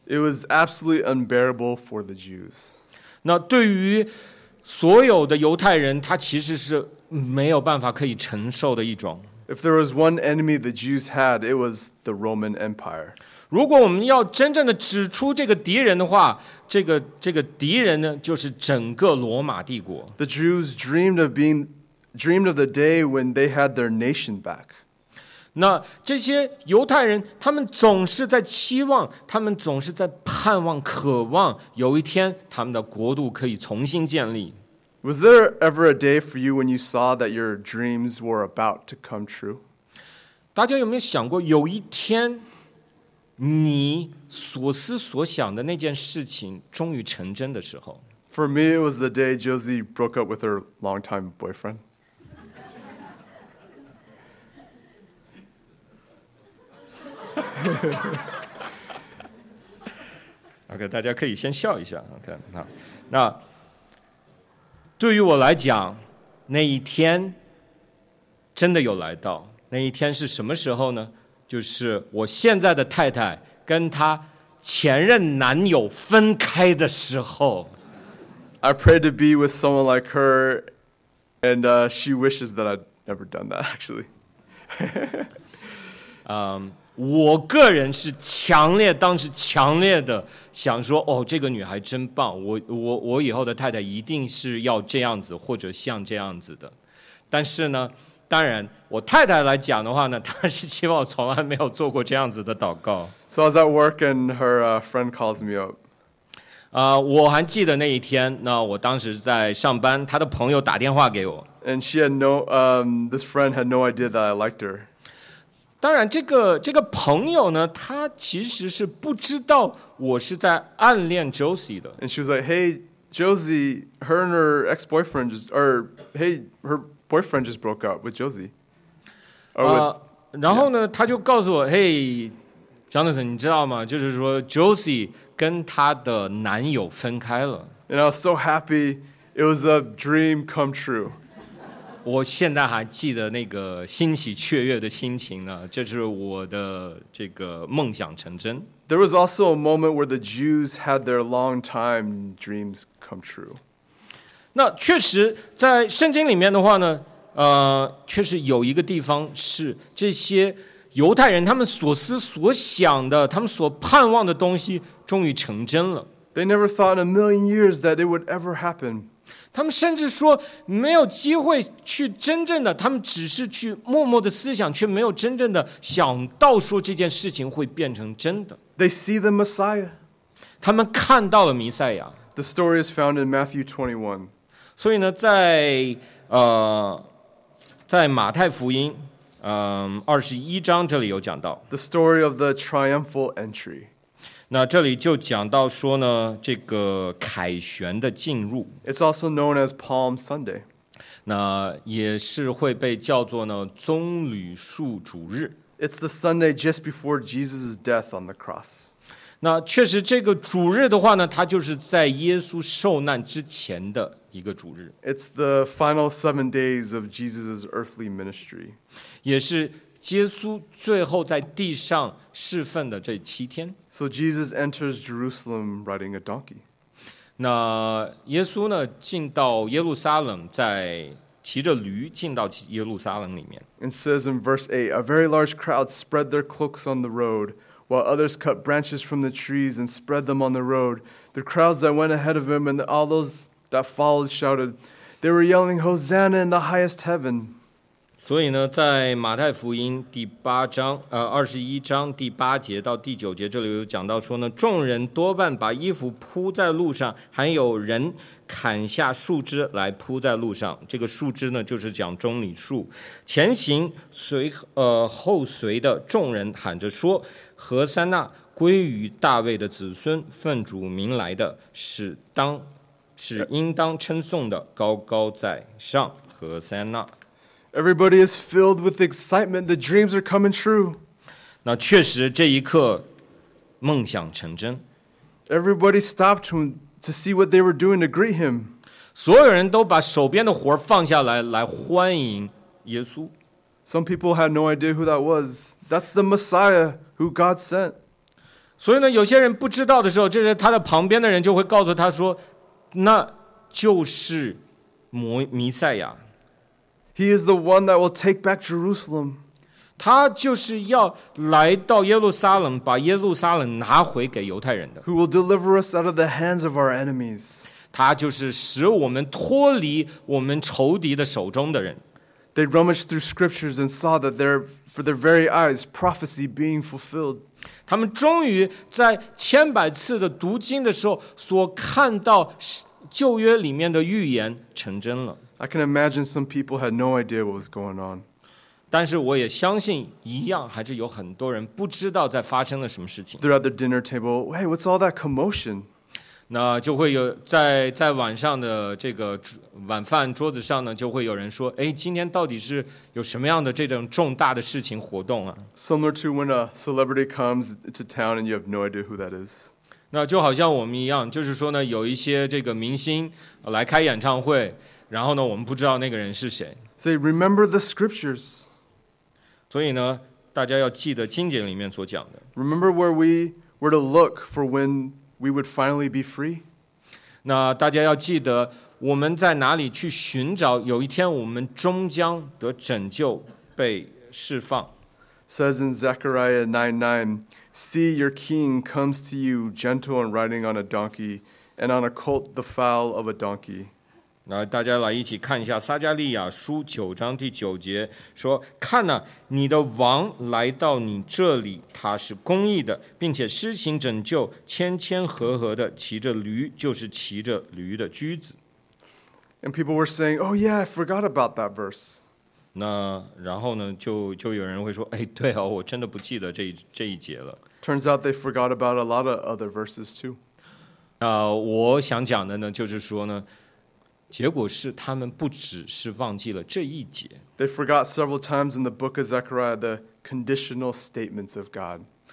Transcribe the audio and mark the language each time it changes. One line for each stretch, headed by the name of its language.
English: It was absolutely unbearable for the Jews.
Chinese: 那对于所有的犹太人，他其实是没有办法可以承受的一种。
English: If there was one enemy the Jews had, it was the Roman Empire.
Chinese: 如果我们要真正的指出这个敌人的话，这个敌人呢，就是整个罗马帝国。
English: The Jews dreamed of the day when they had their nation back.
Chinese: 那这些犹太人，他们总是在期望，他们总是在盼望，渴望有一天他们的国度可以重新建立。
English: Was there ever a day for you when you saw that your dreams were about to come true?
Chinese: 大家有没有想过，有一天你所思所想的那件事情终于成真的时候？
English: For me, it was the day Josie broke up with her longtime boyfriend.
Chinese: OK， 大家可以先笑一下。 OK， 好。那对于我来讲，那一天真的有来到。那一天是什么时候呢？就是我现在的太太跟她前任男友分开的时候。
English: I pray to be with someone like her, and she wishes that I'd never done that. Actually.
Chinese: 我个人是强烈的想说，哦，这个女孩真棒，我以后的太太一定是要这样子或者像这样子的。但是呢，当然我太太来讲的话呢，她是希望我从来没有做过这样子的祷告。
English: So I was at work and her friend calls me up.
Chinese: 我还记得那一天，那我当时在上班，她的朋友打电话给我。
English: And she had no, this friend had no idea that I liked her.
Chinese: 当然这个朋友呢，他其实是不知道我是在暗恋 Josie 的。
English: And she was like, hey, Josie, her and her ex-boyfriend just, or hey, her boyfriend just broke up with Josie. Or with,
Chinese: 然后呢，他就告诉我， hey, Jonathan, 你知道吗？就是说 Josie 跟他的男友分开了。
English: And I was so happy. It was a dream come true.
Chinese: 我现在还记得那个欣喜雀跃的心情呢，这是我的这个梦想成真。
English: There was also a moment where the Jews had their long time dreams come true.
Chinese: 那确实在圣经里面的话呢，确实有一个地方是这些犹太人他们所思所想的，他们所盼望的东西终于成真了。
English: They never thought in a million years that it would ever happen.
Chinese: 他们甚至说没有机会去真正的，他们只是去默默的思想，却没有真正的想到说这件事情会变成真的。
English: They see the Messiah.
Chinese: 他们看到了弥赛亚。
English: The story is found in Matthew 21.
Chinese: 所以呢，在马太福音，二十一章这里有讲到。
English: The story of the triumphal entry.
Chinese: 那这里就讲到说呢，这个凯旋的进入。
English: It's also known as Palm Sunday.
Chinese: 那也是会被叫做呢棕榈树主日。
English: It's the Sunday just before Jesus' death on the cross.
Chinese: 那确实这个主日的话呢，它就是在耶稣受难之前的一个主日。
English: It's the final 7 days of Jesus' earthly ministry.
Chinese: 也是耶稣最后在地上侍奉的这七天。
English: So Jesus enters Jerusalem riding a donkey.
Chinese: 那耶稣呢，进到耶路撒冷，在骑着驴进到耶路撒冷里面。
English: It says in verse 8, a very large crowd spread their cloaks on the road, while others cut branches from the trees and spread them on the road. The crowds that went ahead of him and all those that followed shouted, they were yelling, Hosanna in the highest heaven.
Chinese: 所以呢，在马太福音第八章，二十一章第八节到第九节，这里有讲到说呢，众人多半把衣服铺在路上，还有人砍下树枝来铺在路上。这个树枝呢，就是讲棕榈树。前行随后随的众人喊着说：“何塞纳，归于大卫的子孙，奉主名来的，是应当称颂的，高高在上，何塞纳。”
English: Everybody is filled with excitement. The dreams are coming true.
Chinese: 那确实，这一刻梦想成真。
English: Everybody stopped to see what they were doing to greet him.
Chinese: 所有人都把手边的活放下来，来欢迎耶稣。
English: Some people had no idea who that was. That's the Messiah who God sent.
Chinese: 所以呢，有些人不知道的时候，就是他的旁边的人就会告诉他说，那就是弥赛亚。
English: He is the one that will take back Jerusalem.
Chinese: 他就是要来到耶路撒冷，把耶路撒冷拿回给犹太人的。
English: Who will deliver us out of the hands of our enemies.
Chinese: 他就是使我们脱离我们仇敌的手中的人。
English: They rummaged through scriptures and saw that for their very eyes, prophecy being fulfilled.
Chinese: 他们终于在千百次的读经的时候，所看到旧约里面的预言成真了。
English: I can imagine some people had no idea what was going on.
Chinese: 但是我也相信一样还是有很多人不知道在发生了什么事情。
English: They're at the dinner table. Hey, what's all that commotion?
Chinese: 那就会有在晚上的这个晚饭桌子上呢，就会有人说，哎，今天到底是有什么样的这种重大的事情活动啊？
English: Similar to when a celebrity comes to town and you have no idea who that is.
Chinese: 那就好像我们一样，就是说呢，有一些这个明星来开演唱会。然后呢，我们不知道那个人是谁。
English: Say, remember the scriptures.
Chinese: 所以呢，大家要记得经典里面所讲的。
English: Remember where we were to look for when we would finally be free.
Chinese: 那大家要记得我们在哪里去寻找，有一天我们终将得拯救，被释放。
English: Says in Zechariah 9:9, See, your king comes to you, gentle and riding on a donkey, and on a colt the foal of a donkey.
Chinese: 来，大家来一起看一下撒迦利亚书九章第九节，说：“看哪、啊，你的王来到你这里，他是公义的，并且施行拯救，谦谦和和的骑着驴，就是骑着驴的驹子。”
English: And people were saying, "Oh yeah, I forgot about that verse."
Chinese: 那然后呢，就有人会说：“哎，对啊，我真的不记得这一节了。”
English: Turns out they forgot about a lot of other verses too.
Chinese: 那我想讲的呢，就是说呢。结果是他们不只是忘记了这一节。
English: They forgot several times in the book of Zechariah the conditional statements of God.